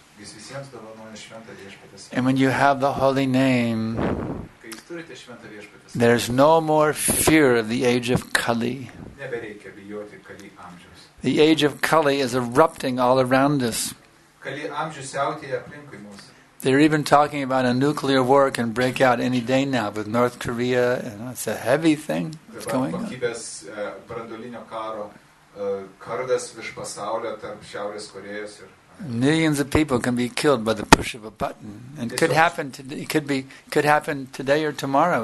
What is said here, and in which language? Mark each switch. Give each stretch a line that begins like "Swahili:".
Lithuanian: Jis visiems dovanoja šventą Viešpatį.
English: And when you have the holy name,
Lithuanian: kai jūs turite šventą Viešpatį,
English: there is no more fear of the age of Kali.
Lithuanian: Nebereikia bijoti Kali amžiaus.
English: The age of Kali is erupting all around us.
Lithuanian: Kali amžius siautėja aplinkui mus.
English: They're even talking about a nuclear war can break out any day now with North Korea. And it's a heavy thing that's going on. Millions of people can be killed by the push of a button. And it could happen today or tomorrow.